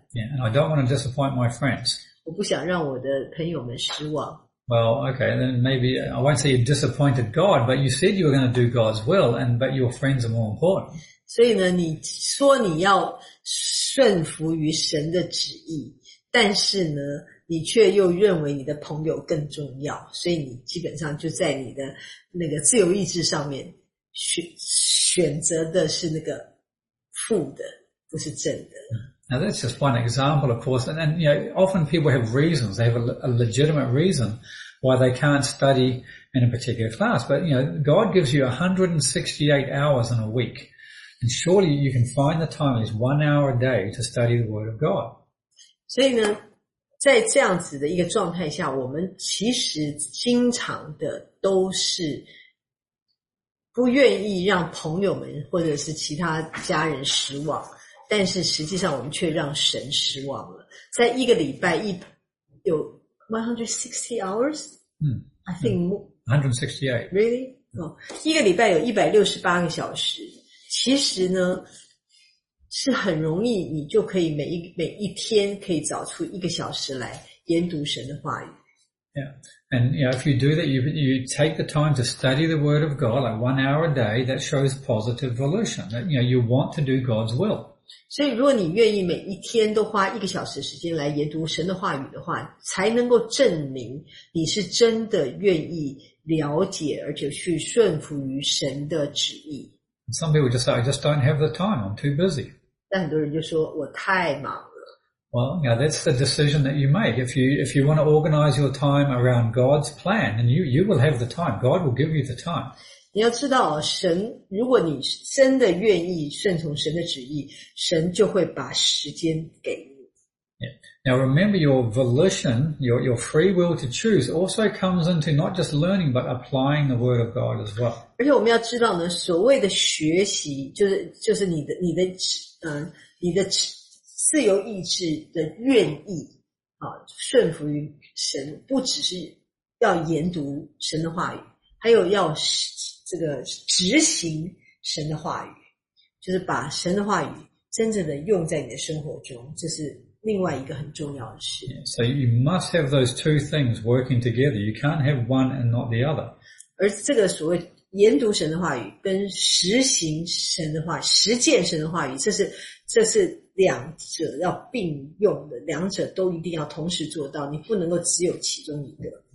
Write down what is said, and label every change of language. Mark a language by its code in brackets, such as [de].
[en] Yeah, and I don't want to disappoint my friends. [zh] 我不想让我的朋友们失望。 [en] Well, okay, then maybe, I won't say you disappointed God, but you said you were going to do God's will, and but your friends are more important. [zh] 所以呢，你说你要顺服于神的旨意，但是呢，你却又认为你的朋友更重要，所以你基本上就在你的那个自由意志上面选择的是那个负的，不是正的。 [en] Now that's just one example, of course. And you know, often people have reasons. They have a legitimate reason why they can't study in a particular class. But you know, God gives you 168 hours in a week. And surely you can find the time, at least 1 hour a day, to study the Word of God. [zh] 所以呢，在这样子的一个状态下，我们其实经常的都是不愿意让朋友们或者是其他家人失望，但是实际上我们却让神失望了。在一个礼拜有160 hours? [en] I think 168. Really?、 [zh] 一个礼拜有168个小时。其实呢是很容易你就可以每一天可以找出一个小时来研读神的话语。 [en] Yeah, and you know, if you do that, you take the time to study the Word of God, like 1 hour a day, that shows positive volition, that you know, you want to do God's will. [zh] 所以如果你愿意每一天都花一个小时时间来研读神的话语的话，才能够证明你是真的愿意了解而且去顺服于神的旨意。 [en] Some people just say, I just don't have the time, I'm too busy. [zh] 但很多人就说我太忙了。 [en] Well, you know, that's the decision that you make. If you want to organize your time around God's plan, then you will have the time. God will give you the time. [zh] 你要知道神，如果你真的愿意顺从神的旨意，神就会把时间给你。 [en] Yeah. Now remember your volition, your free will to choose also comes into not just learning but applying the word of God as well. [zh] 而且我们要知道呢，所谓的学习就是你的自由意志的愿意啊，顺服于神，不只是要研读神的话语，还有要这个执行神的话语，就是把神的话语真正的用在你的生活中，这是另外一个很重要的事。 [en] Yeah, so you must have those two things working together. You can't have one and not the other. [zh] 而这个所谓研读神的话语跟实行神的话语，实践神的话语，这是两者要并用的，两者都一定要同时做到，你不能够只有其中一个。